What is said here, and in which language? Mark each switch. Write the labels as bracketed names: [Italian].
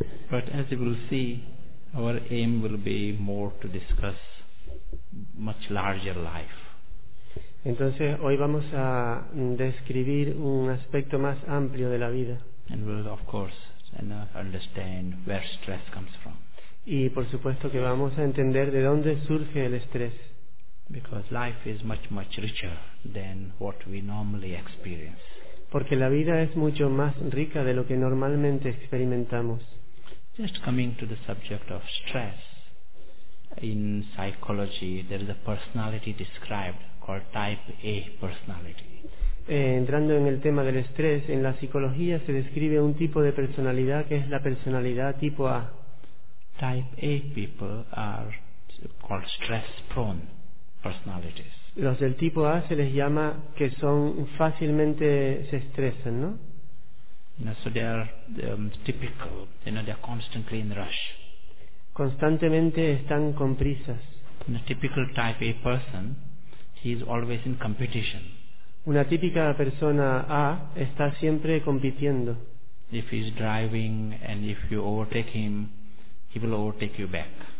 [English] But as you will see, our aim will be more to discuss much larger life. [Spanish] Entonces hoy vamos a describir un aspecto más amplio de la vida. [English] And we'll of course understand where stress comes from. [Spanish] Y por supuesto que vamos a entender de dónde surge el estrés. [English] Because life is much much richer than what we normally experience. [Spanish] Porque la vida es mucho más rica de lo que normalmente experimentamos. [English] Just coming to the subject of stress, in psychology there is a personality described called type A personality. [Spanish] Entrando en el tema del estrés, en la psicología se describe un tipo de personalidad que es la personalidad tipo A. [English] Type A people are called stress prone personalities. [Spanish] Los del tipo A se les llama que son fácilmente se estresan, ¿no? [English] You know, so they are typical, you know, they are constantly in a rush. [Spanish] Constantemente están con prisas. [English] A typical type A person, he is always in competition. [Spanish] Una típica persona A está siempre compitiendo. [English] If he is driving and if you overtake him, he will overtake you back.